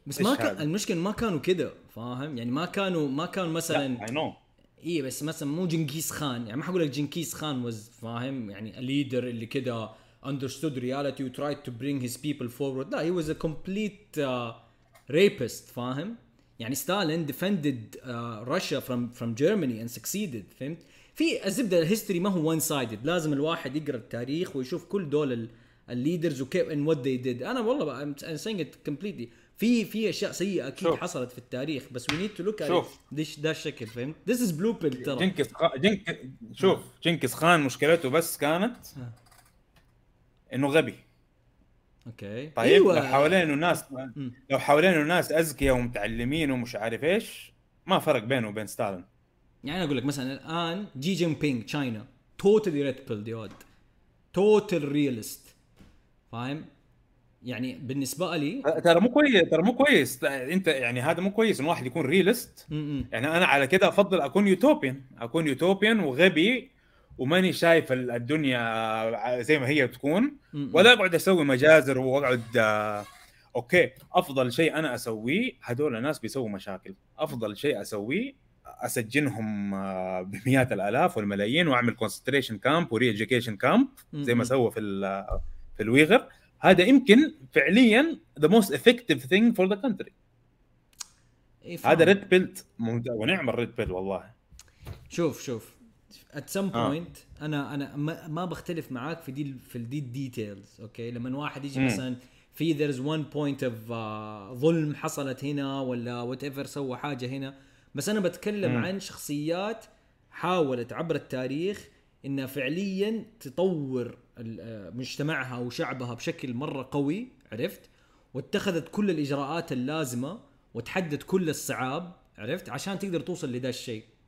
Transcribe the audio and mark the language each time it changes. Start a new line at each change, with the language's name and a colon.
Arabic: بس ما كان المشكله ما كانوا كده فاهم يعني ما كانوا مثلا اي نو إيه بس مثلا مو جنكيز خان، يعني ما حقول لك جنكيز خان
English: was
Arabic: فاهم يعني
English: a leader
Arabic: اللي كده
English: understood reality and tried to bring his people forward.
Arabic: لا
English: he was a complete rapist
Arabic: فاهم. يعني ستالين
English: defended Russia from Germany and succeeded.
Arabic: فهمت؟ في الزبدة الهيستوري ما هو
English: one sided،
Arabic: لازم الواحد يقرأ التاريخ ويشوف كل دول الليدرز وكيف
English: and what they did.
Arabic: أنا والله بقى
English: I'm saying it completely.
Arabic: في أشياء سيئة أكيد شوف. حصلت في التاريخ بس
English: we need to look at this
Arabic: ده الشكل فهمت.
English: This is blueprint
Arabic: ترى. شوف جنكيز خان مشكلته بس كانت إنه غبي. أوكي. طيب أيوة. لو حوالينه ناس أذكياء ومتعلمين ومش عارف إيش ما فرق بينه وبين ستالين. يعني أنا أقول لك مثلاً الآن جي جين بينغ تشاينا
English: totally red pill
Arabic: ديود
English: total realist
Arabic: فاهم. يعني بالنسبة لي ترى مو كويس أنت يعني هذا مو كويس إن واحد يكون realist. يعني أنا على كده أفضل أكون يوتوبيان وغبي وماني شايف الدنيا زي ما هي بتكون ولا أقعد أسوي مجازر وأقعد أوكي. أفضل شيء أنا أسويه هدول الناس بيسووا مشاكل، أفضل شيء أسويه أسجنهم بمئات الآلاف والملايين وأعمل concentration camp وreeducation camp زي ما سووا في الويغر. هذا يمكن فعلياً
English: the most effective thing for the country.
Arabic: هذا red belt ونعمل red belt والله. شوف
English: at some point
Arabic: أنا ما بختلف معاك في دي في الدي details. أوكي لما واحد يجي مثلاً في
English: there's one point of
Arabic: ظلم حصلت هنا ولا
English: whatever
Arabic: سوى حاجة هنا، بس أنا بتكلم عن شخصيات حاولت عبر التاريخ إنها فعلياً تطور مجتمعها وشعبها بشكل مرة قوي عرفت، واتخذت كل الإجراءات اللازمة وتحدد كل الصعاب عرفت عشان تقدر توصل لدا الشيء.